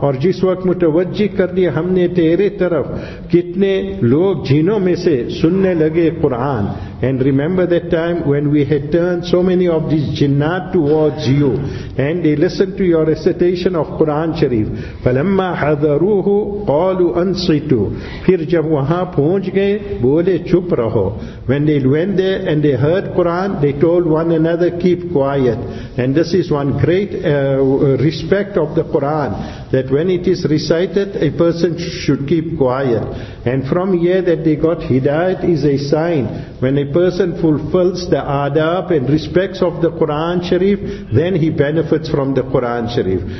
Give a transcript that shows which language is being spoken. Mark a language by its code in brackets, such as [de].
[ur] اور جس وقت متوجہ کر دیا ہم نے تیرے طرف کتنے لوگ جنوں میں سے سننے لگے قرآن. [en] And remember that time when we had turned so many of these jinnat towards you, and they listened to your recitation of Quran Sharif. [ar] فَلَمَّا حَذَرُوهُ قَالُوا أَنصِتُوا. [ur] پھر جب وہاں پہنچ گئے بولے چھپ رہو. [en] When they went there and they heard Quran, they told one another, keep quiet. And this is one great respect of the Quran, that when it is recited, a person should keep quiet. And from here that they got hidayat is a sign. When a person fulfills the adab and respects of the Quran Sharif, then he benefits from the Quran Sharif.